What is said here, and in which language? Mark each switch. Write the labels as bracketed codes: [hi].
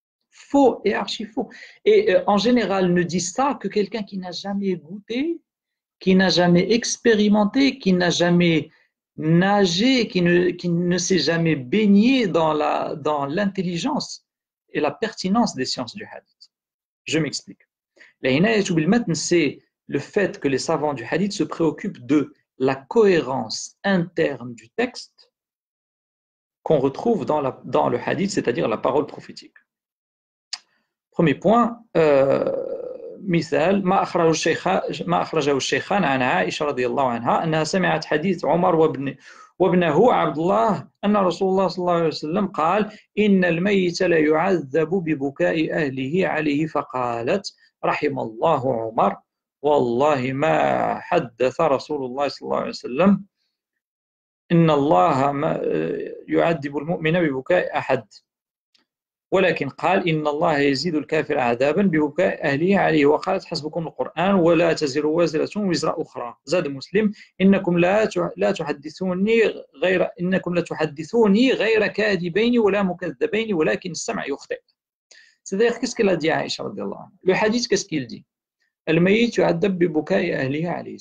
[fr] Faux et archi faux. Et en général, ne dit ça que quelqu'un qui n'a jamais goûté, qui n'a jamais expérimenté, qui n'a jamais nagé, qui ne s'est jamais baigné dans l'intelligence et la pertinence des sciences du hadith. Je m'explique. L'inayatu bil matn, c'est le fait que les savants du hadith se préoccupent de la cohérence interne du texte qu'on retrouve dans le hadith, c'est-à-dire la parole prophétique. Premier point, [ar] مثال ما أخرج الشيخ ما أخرج الشيخان عن عائشة رضي الله عنها أنها سمعت حديث عمر وابنه عبد الله أن رسول الله صلى الله عليه وسلم قال إن الميت لا يعذب ببكاء أهله عليه فقالت رحم الله عمر والله ما حدث رسول الله صلى الله عليه وسلم إن الله ما يعذب المؤمن ببكاء أحد ولكن قال إن الله يزيد الكافر عذابا ببكاء أهله عليه وقالت حسبكم القرآن ولا تزر وازرة وزر أخرى زاد مسلم إنكم لا تحدثوني غير إنكم لا تحدثوني غير كاذبين ولا مكذبين ولكن السمع يخطئ. [fr] C'est-à-dire, qu'est-ce qu'elle a dit à Aïcha radiallahu anha? Le hadith, qu'est-ce qu'il dit? Al-mayyit yu'adhab bi bukai ahlihi alayhi.